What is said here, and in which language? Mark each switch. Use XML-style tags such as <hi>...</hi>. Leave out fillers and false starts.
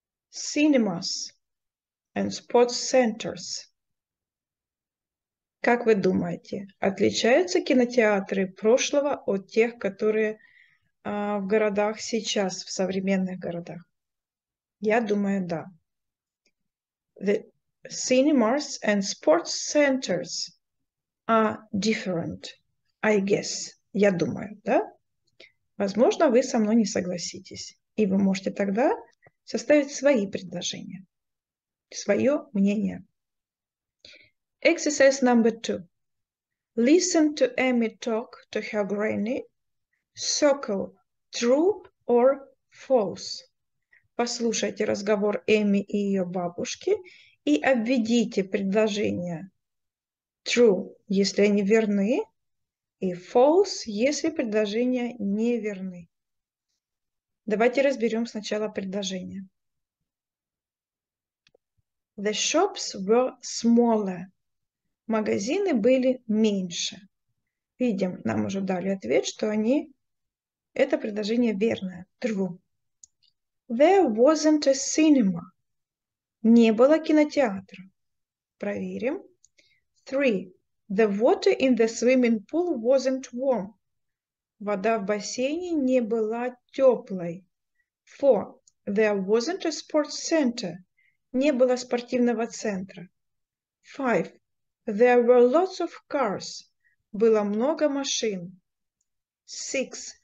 <en>Cinemas and sports centers.</en> <ru>Как вы думаете, отличаются кинотеатры прошлого от тех, которые в городах сейчас, в современных городах? Я думаю, да.</ru> <en>The cinemas and sports centers are different, I guess.</en> <ru>Я думаю, да? Возможно, вы со мной не согласитесь. И вы можете тогда составить свои предложения, свое мнение.</ru> <en>Exercise number 2. Listen to Amy talk to her granny. Circle true or false.</en> <ru>Послушайте разговор Эми и ее бабушки и обведите предложения. True, если они верны, и false, если предложения не верны. Давайте разберем сначала предложение.</ru> <en>The shops were smaller.</en> <ru>Магазины были меньше. Видим, нам уже дали ответ, что они... Это предложение верное.</ru> <en>True. There wasn't a cinema.</en> <ru>Не было кинотеатра. Проверим. Three.</ru> <en>The water in the swimming pool wasn't warm.</en> <ru>Вода в бассейне не была теплой.</ru> <en>4. There wasn't a sports center.</en> <ru>Не было спортивного центра.</ru> <en>5. There were lots of cars.</en> <ru>Было много машин.</ru> <en>6.</en>